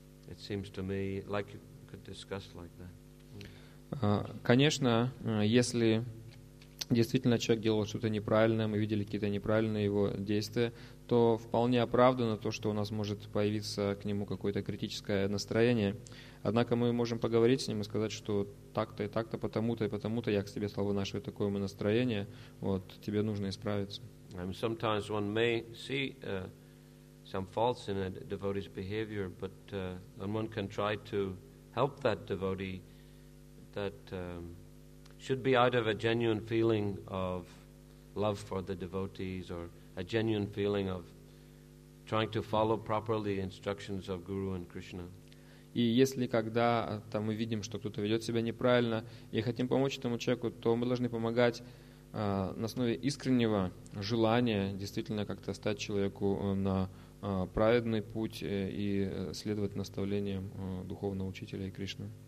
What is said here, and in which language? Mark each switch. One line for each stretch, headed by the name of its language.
English: It seems to me like you could discuss like that.
Russian: Конечно, если действительно человек делал что-то неправильное, мы видели какие-то неправильные его действия, то вполне оправдано то, что у нас может появиться к нему какое-то критическое настроение. Однако мы можем поговорить с ним и сказать, что так-то и так-то, потому-то и потому-то я к себе слабо нашу такое ему настроение. Вот тебе нужно исправиться.
English: And sometimes one may see some faults in a devotee's behavior, but and one can try to help that devotee that should be out of a genuine feeling of love for the devotees or a genuine feeling of trying to follow properly instructions of Guru and Krishna.
Russian: И если когда там мы видим, что кто-то ведет себя неправильно и хотим помочь этому человеку, то мы должны помогать на основе искреннего желания действительно как-то стать человеку на праведный путь и следовать наставлениям духовного учителя и Кришны.